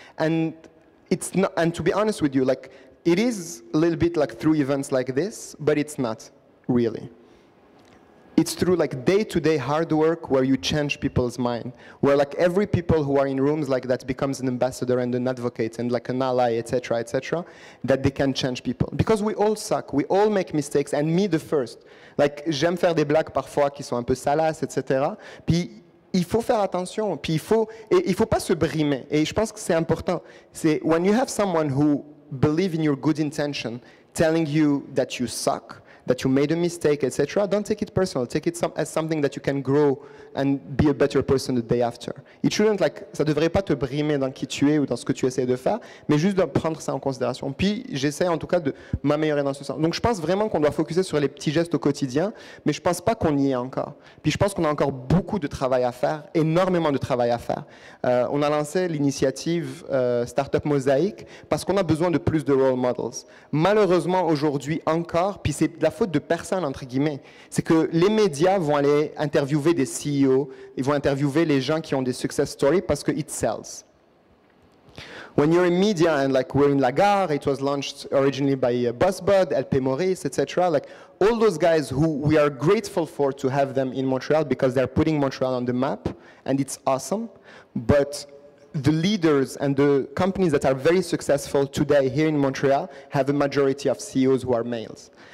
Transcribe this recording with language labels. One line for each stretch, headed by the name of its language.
English: And it's not, and to be honest with you, like it is a little bit like through events like this, but it's not really. It's through like day-to-day hard work where you change people's mind, where like every people who are in rooms like that becomes an ambassador and an advocate and like an ally, etc., etc., that they can change people. Because we all suck, we all make mistakes, and me the first.
French: Like, j'aime faire des blagues parfois qui sont un peu salaces, etc. Puis il faut faire attention, puis il faut pas se brimer. Et je pense que c'est important.
English: C'est when you have someone who believes in your good intention telling you that you suck, that you made a mistake, etc., don't take it personal. Take it as something that you can grow and be a better person the day after. It shouldn't, like,
French: ça devrait pas te brimer dans qui tu es ou dans ce que tu essaies de faire, mais juste de prendre ça en considération. Puis, j'essaie en tout cas de m'améliorer dans ce sens. Donc, je pense vraiment qu'on doit focuser sur les petits gestes au quotidien, mais je pense pas qu'on y est encore. Puis, je pense qu'on a encore beaucoup de travail à faire, énormément de travail à faire. On a lancé l'initiative Startup Mosaïque parce qu'on a besoin de plus de role models. Malheureusement, aujourd'hui encore, puis c'est la faute de personne, entre guillemets, c'est que les médias vont aller interviewer des CEO, ils vont interviewer les gens qui ont des success stories parce que
English: it sells. When you're in media and like we're in La Gare, it was launched originally by BuzzBud, LP Maurice, etc., like all those guys who we are grateful for to have them in Montreal because they're putting Montreal on the map and it's awesome, but the leaders and the companies that are very successful today here in Montreal have a majority of CEOs who are males.